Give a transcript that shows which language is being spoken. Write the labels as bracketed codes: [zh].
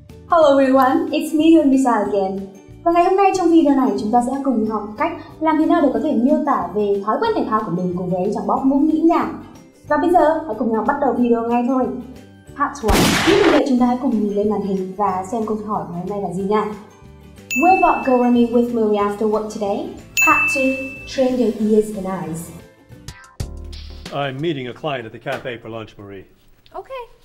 [en] Hello everyone, it's me, Hương Misa again. [vi] Và ngày hôm nay trong video này chúng ta sẽ cùng học cách làm thế nào để có thể miêu tả về thói quen thể thao của mình cùng với chàng bóp mũm nhĩ nhả. Và bây giờ hãy cùng nhau bắt đầu video ngay thôi. Part 1. Như thường lệ chúng ta hãy cùng nhìn lên màn hình và xem câu hỏi ngày hôm nay là gì nha. [en] Where about going with Mary after work today? Part 2. Train your ears and eyes. I'm meeting a client at the cafe for lunch, Marie. Okay.